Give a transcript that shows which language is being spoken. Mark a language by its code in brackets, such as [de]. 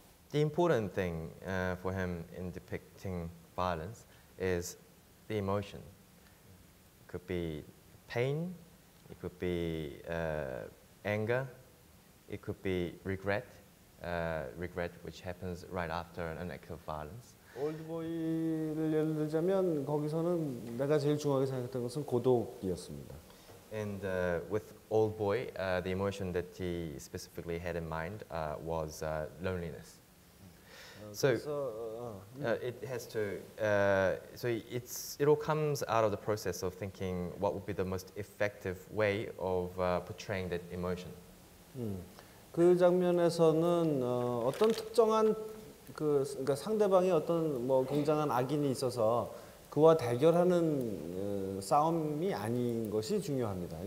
[en] The important thing for him in depicting violence is the emotion. It could be pain, it could be anger, it could be regret, regret which happens right after an act of violence. [ko] 올드보이를 예를 들자면 거기서는 내가 제일 중요하게 생각했던 것은 고독이었습니다. [en] And with old boy, the emotion that he specifically had in mind was loneliness. So it has to. So it all comes out of the process of thinking what would be the most effective way of portraying that emotion. [ko] 그 장면에서는 어떤 특정한 그러니까 상대방이 어떤 뭐 굉장한 악인이 있어서 그와 대결하는 싸움이 아닌 것이 중요합니다.